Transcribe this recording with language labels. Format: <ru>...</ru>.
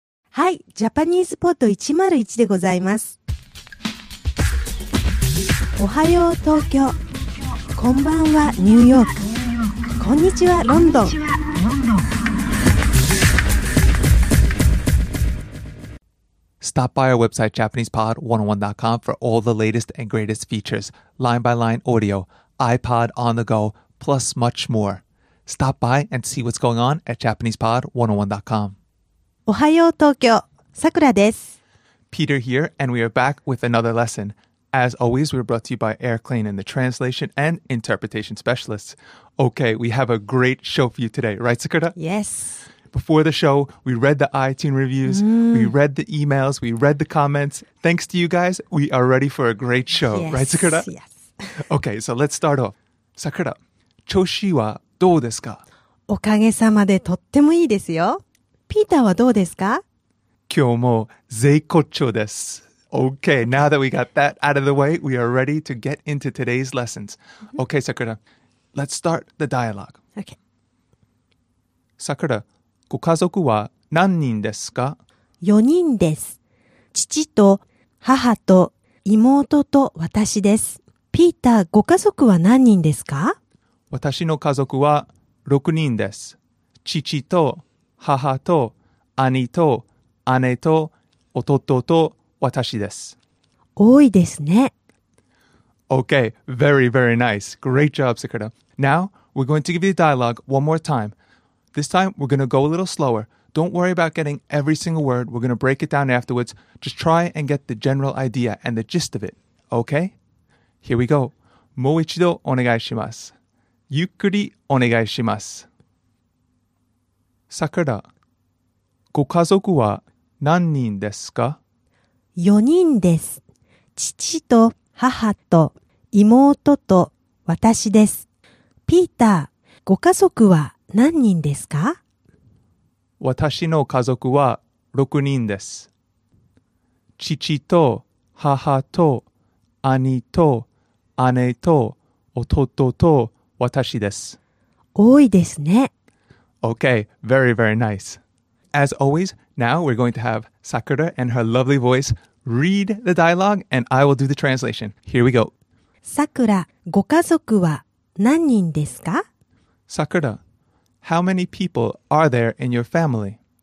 <ja>はい、ジャパニーズポート101でございます。おはよう東京、こんばんはニューヨーク、こんにちはロンドン。</ja> <en>Stop by our website JapanesePod101.com for all the latest and greatest features, line-by-line audio, iPod on the go, plus much more. Stop by and see what's going on at JapanesePod101.com.</en> <ja>おはよう東京、さくらです。</ja> <en>Peter here, and we are back with another lesson. As always, we're brought to you by Air Clean and the Translation and Interpretation Specialists. Okay, we have a great show for you today, right, Sakura? Yes. Before the show, we read the iTunes reviews,、mm. we read the emails, we read the comments. Thanks to you guys, we are ready for a great show. Yes, right, Sakura? Yes. Okay, so let's start off. Sakura,</en> <ja>調子はどうですか? おかげさまでとってもいいですよ。ピーターはどうですか? 今日も絶好調です。</ja> <en>Okay, now that we got that out of the way, we are ready to get into today's lessons. Okay, Sakura, let's start the dialogue. Okay.</en> <ja>Sakura,ご家族は何人ですか ?4 人です。父と母と妹と私です。ピーター、ご家族は何人ですか私の家族は6人です。父と母と兄と姉と弟と私です。多いですね。</ja> <en>Okay, very, very nice. Great job, Sakura. Now, we're going to give you the dialogue one more time. This time, we're going to go a little slower. Don't worry about getting every single word. We're going to break it down afterwards. Just try and get the general idea and the gist of it. Okay? Here we go.</en> <ja>もう一度お願いします。ゆっくりお願いします。さくら、ご家族は何人ですか ?4 人です。父と母と妹と私です。ピーター、ご家族は何人ですか? 私の家族は6人です。父と母と兄と姉と弟と私です。多いですね。</ja> <en>Okay, very, very nice. As always, now we're going to have Sakura and her lovely voice read the dialogue and I will do the translation. Here we go.</en> <ja>Sakura, ご家族は何人ですか?</ja> <en>Sakura,How many people are there in your family?</en>